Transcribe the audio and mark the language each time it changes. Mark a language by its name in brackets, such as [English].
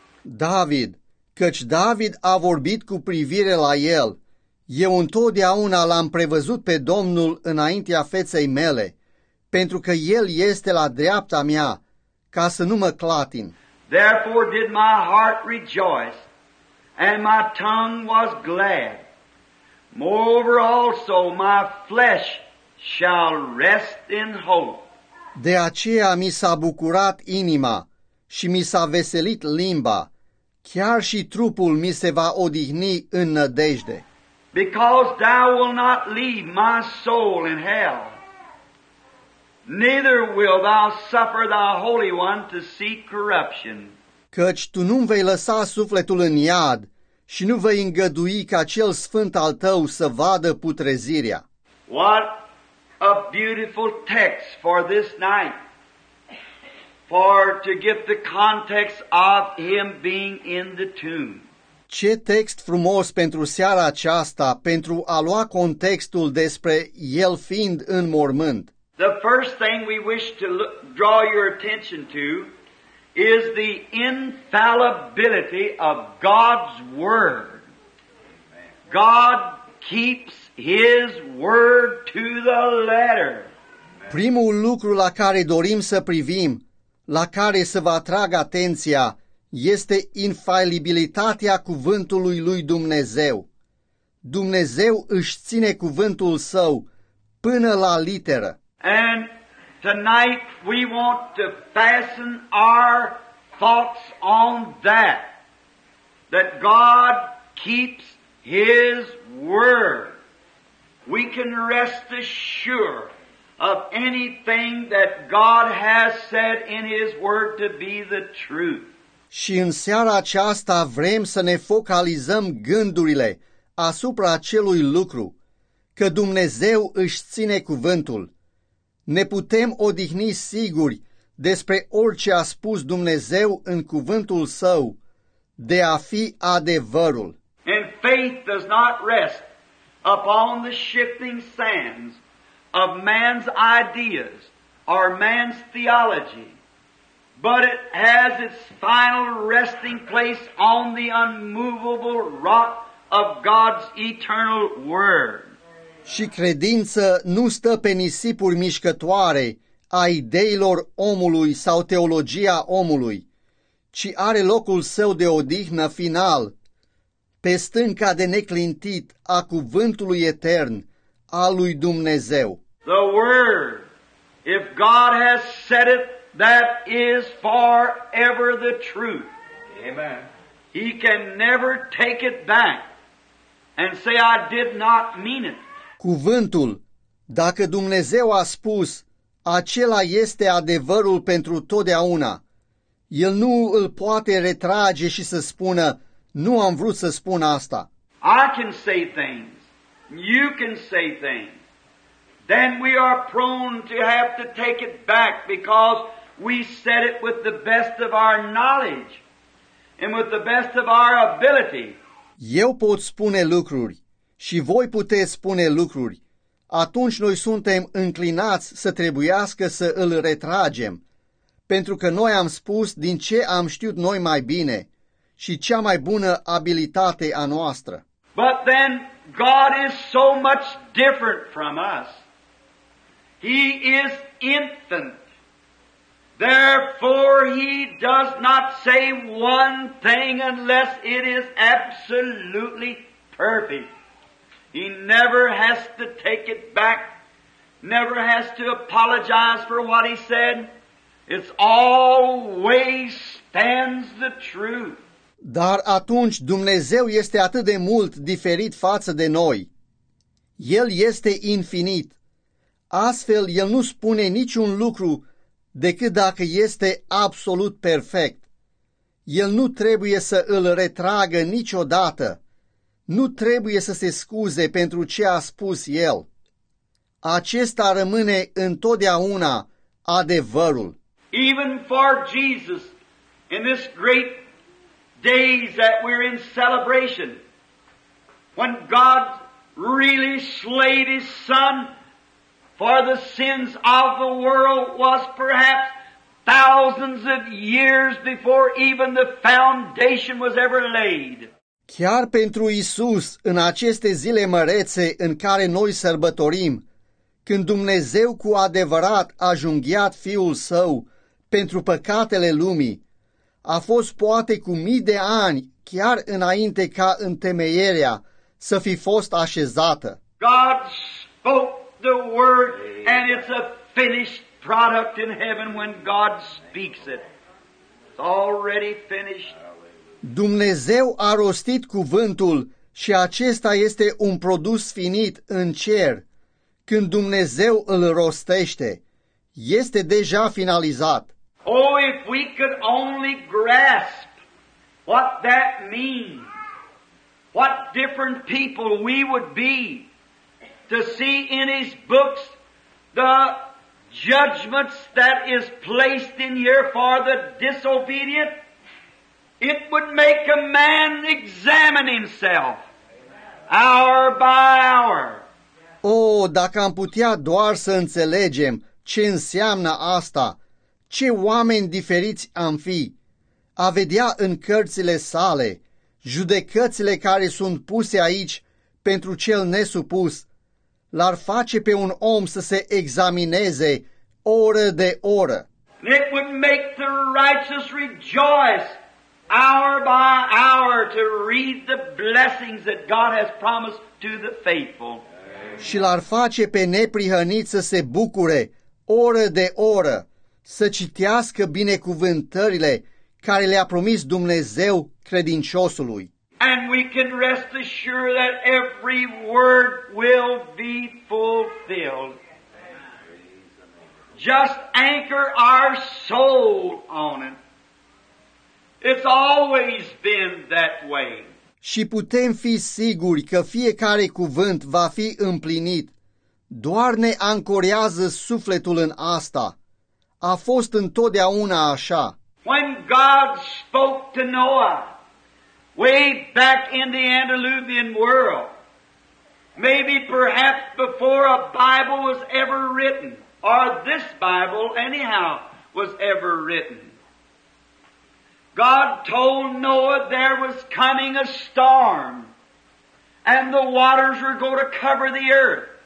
[Romanian] David, căci David a vorbit cu privire la el, eu întotdeauna l-am prevăzut pe Domnul înaintea feței mele, pentru că el este la dreapta mea, ca să nu mă clatin. [English] Therefore did my heart rejoice, and my tongue was glad. Moreover also my flesh shall rest in hope. [Romanian] De aceea mi s-a bucurat inima și mi s-a veselit limba, Chiar și trupul mi se va odihni în nădejde. [English] Because thou will not leave my soul in hell. Neither will thou suffer thy holy one to see corruption. [Romanian] Căci tu nu-mi vei lăsa sufletul în iad și nu vei îngădui ca cel sfânt al tău să vadă putrezirea. [English] What a beautiful text for this night. For to give the context of him being in the tomb. [Romanian] Ce text frumos pentru seara aceasta, pentru a lua contextul despre el fiind în mormânt. [English] The first thing we wish to look, draw your attention to is the infallibility of God's word. God keeps his word to the letter. [Romanian] Primul lucru la care dorim să privim, la care să vă atrag atenția, este infailibilitatea cuvântului lui Dumnezeu. Dumnezeu își ține cuvântul său până la literă. [English] And tonight we want to fasten our thoughts on that, that God keeps his word. We can rest assured of anything that God has said in his word to be the truth. [Romanian] Și în seara aceasta vrem să ne focalizăm gândurile asupra acelui lucru, că Dumnezeu își ține cuvântul. Ne putem odihni siguri despre orice a spus Dumnezeu în cuvântul său de a fi adevărul. [English] And faith does not rest upon the shifting sands of man's ideas or man's theology, but it has its final resting place on the unmovable rock of God's eternal word. [Romanian] Și credință nu stă pe nisipuri mișcătoare a ideilor omului sau teologia omului, ci are locul său de odihnă final pe stânca de neclintit a cuvântului etern al lui Dumnezeu. [English] The word, if God has said it, that is forever the truth. Amen. He can never take it back and say, I did not mean it. [Romanian] Cuvântul, dacă Dumnezeu a spus, acela este adevărul pentru totdeauna. El nu îl poate retrage și să spună, nu am vrut să spun asta. [English] I can say things, you can say things. Then we are prone to have to take it back because we said it with the best of our knowledge and with the best of our ability. [Romanian] Eu pot spune lucruri. Și voi puteți spune lucruri, atunci noi suntem înclinați să trebuiască să îl retragem, pentru că noi am spus din ce am știut noi mai bine și cea mai bună abilitate a noastră. [English] But then God is so much different from us. He is infinite. Therefore he does not say one thing unless it is absolutely perfect. He never has to take it back, never has to apologize for what he said. It's always stands the truth. [Romanian] Dar atunci Dumnezeu este atât de mult diferit față de noi. El este infinit. Astfel, el nu spune niciun lucru decât dacă este absolut perfect. El nu trebuie să îl retragă niciodată. Nu trebuie să se scuze pentru ce a spus el. Acesta rămâne întotdeauna adevărul. [English] Even for Jesus, in this great days that we're in celebration, when God really slayed his son for the sins of the world, was perhaps thousands of years before even the foundation was ever laid. [Romanian] Chiar pentru Isus, în aceste zile mărețe în care noi sărbătorim, când Dumnezeu cu adevărat a junghiat Fiul Său pentru păcatele lumii, a fost poate cu mii de ani chiar înainte ca întemeierea să fi fost așezată. [English] God spoke the word and it's a finished product in heaven when God speaks it. It's already finished. [Romanian] Dumnezeu a rostit cuvântul și acesta este un produs finit în cer. Când Dumnezeu îl rostește, este deja finalizat. [English] Oh, if we could only grasp what that means, what different people we would be to see in his books the judgments that is placed in here for the disobedient, it would make a man examine himself hour by hour. [Romanian] Oh, dacă am putea doar să înțelegem ce înseamnă asta, ce oameni diferiți am fi, a vedea în cărțile sale judecățile care sunt puse aici pentru cel nesupus, l-ar face pe un om să se examineze oră de oră. [English] It would make the righteous rejoice hour by hour to read the blessings that God has promised to the faithful. [Romanian] Și l-ar face pe neprihăniți să se bucure oră de oră, să citească binecuvântările care le-a promis Dumnezeu credinciosului. [English] And we can rest assured that every word will be fulfilled. Just anchor our soul on it. It's always been that way. [Romanian] Și putem fi siguri că fiecare cuvânt va fi împlinit. Doar ne ancorează sufletul în asta. A fost întotdeauna așa. [English] When God spoke to Noah, way back in the Antediluvian world, maybe perhaps before a Bible was ever written, or this Bible anyhow was ever written, God told Noah there was coming a storm and the waters were going to cover the earth.